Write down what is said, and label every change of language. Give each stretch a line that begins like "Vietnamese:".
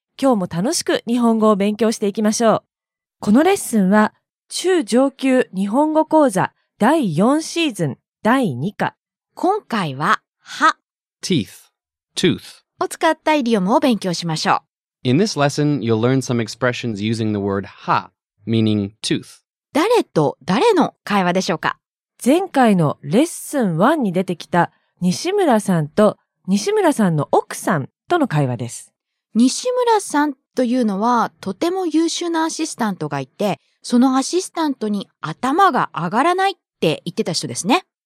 Japanese: 今日も楽しく日本語を勉強していきましょう。このレッスンは中上級日本語講座第4シーズン第2課。今回は歯
English: Teeth, tooth.
Japanese: を使ったイディオムを勉強しましょう。
English: In this lesson, you'll learn some expressions using the word ha, meaning tooth.
Japanese: 誰と誰の会話でしょうか？前回のレッスン1に出てきた西村さんと西村さんの奥さんとの会話です。西村さんというのはとても優秀なアシスタントがいて、そのアシスタントに頭が上がらないって言ってた人ですね。